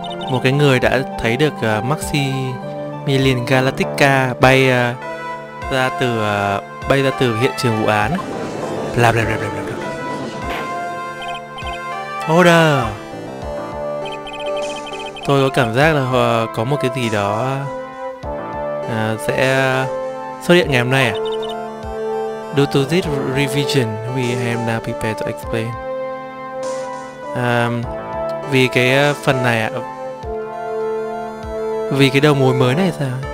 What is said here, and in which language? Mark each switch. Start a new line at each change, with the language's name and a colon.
Vietnamese: Một cái người đã thấy được Maximilian Galactica bay ra từ hiện trường vụ án. Bla bla bla bla bla.
English: Order.
Vietnamese: Tôi có cảm giác là có một cái gì đó sẽ xuất hiện ngày hôm nay.
English: Due to this revision, we have now prepared to explain.
Vietnamese: Vì cái phần này vì cái đầu mối mới này sao?